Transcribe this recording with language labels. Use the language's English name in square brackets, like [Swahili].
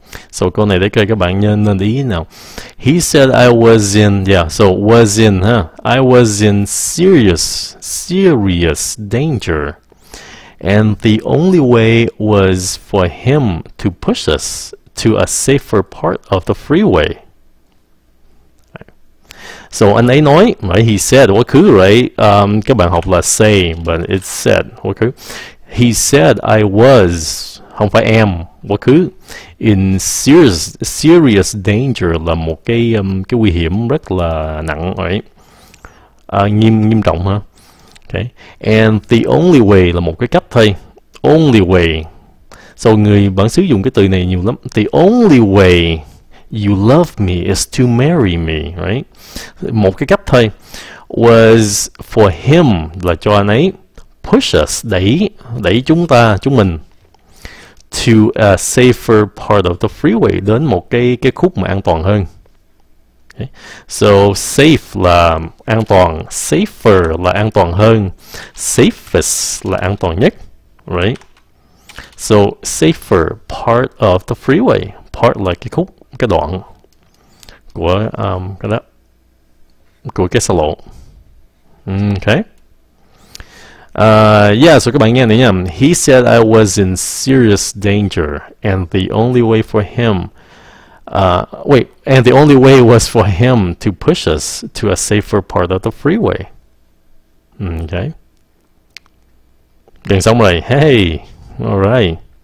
[Vietnamese] So câu này để các bạn nên ý nào. [English] He said I was in, yeah, so was in, huh? I was in serious danger, and the only way was for him to push us to a safer part of the freeway. [Vietnamese] So anh ấy nói, right, [English] he said, [Vietnamese] quá khứ, right? Các bạn học là say, [English] but it's said, [Vietnamese] quá khứ. [English] He said I was, [Vietnamese] không phải am, quá khứ. [English] In serious danger [Vietnamese] là một cái nguy hiểm rất là nặng, right? Nghiêm trọng, huh? Okay. [English] And the only way [Vietnamese] là một cái cách thôi. Only way. So người vẫn sử dụng cái từ này nhiều lắm. [English] The only way you love me is to marry me, right? [Vietnamese] Một cái cách thôi. [English] Was for him, [Vietnamese] là cho anh ấy, [English] push us, [Vietnamese] đẩy chúng mình [English] to a safer part of the freeway, [Vietnamese] đến một cái khúc mà an toàn hơn. Okay. So safe là an toàn, safer là an toàn hơn, safest là an toàn nhất, right? [English] So safer part of the freeway, [Vietnamese] part là cái khúc, cái đoạn của cái đó, của cái xa lộ. Okay. Yeah, so các bạn nghe này nha. [English] He said I was in serious danger, and the only way for him, and the only way was for him to push us to a safer part of the freeway. Okay. Then somebody, hey, all right.